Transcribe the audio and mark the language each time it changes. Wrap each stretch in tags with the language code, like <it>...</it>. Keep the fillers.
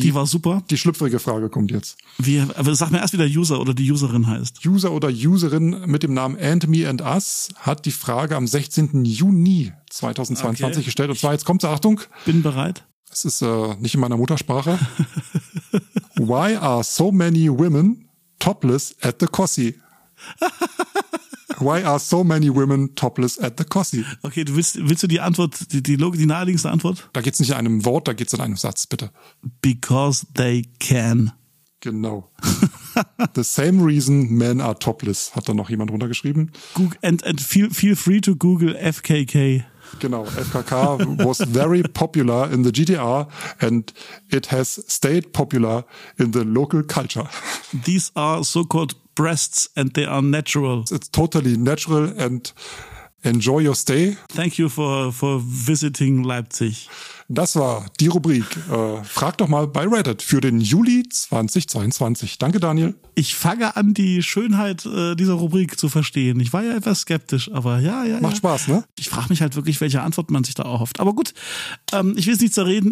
<de>die war super. Die schlüpfrige Frage kommt jetzt. Wie, aber sag mir erst, wie der User oder die Userin heißt. User oder Userin mit dem Namen And Me and Us hat die Frage am 16. Juni 2022 okay. gestellt. Und zwar, jetzt kommt Achtung. Bin bereit. Es ist äh, nicht in meiner Muttersprache.</de> <en>Why are so many women topless at the Cossi? Why are so many women topless at the Cossi?</en> <de>Okay, du willst, willst du die Antwort, die, die, die naheliegendste Antwort? Da geht's nicht in einem Wort, da geht's in einem Satz, bitte.</de> <en>Because they can. Genau. The same reason men are topless,</en> <de>hat da noch jemand runtergeschrieben.</de> <en>Google, and, and feel, feel free to Google FKK. Genau, FKK was very popular in the GDR and it has stayed popular in the local culture. These are so-called breasts and they are natural. It's totally natural and enjoy your stay. Thank you for, for visiting Leipzig.</en> <de>Das war die Rubrik. Äh, frag doch mal bei Reddit für den Juli 2022. Danke, Daniel. Ich fange an, die Schönheit äh, dieser Rubrik zu verstehen. Ich war ja etwas skeptisch, aber ja, ja. Macht ja. Spaß, ne? Ich frage mich halt wirklich, welche Antwort man sich da erhofft. Aber gut, ähm, ich will es nicht zerreden.</de>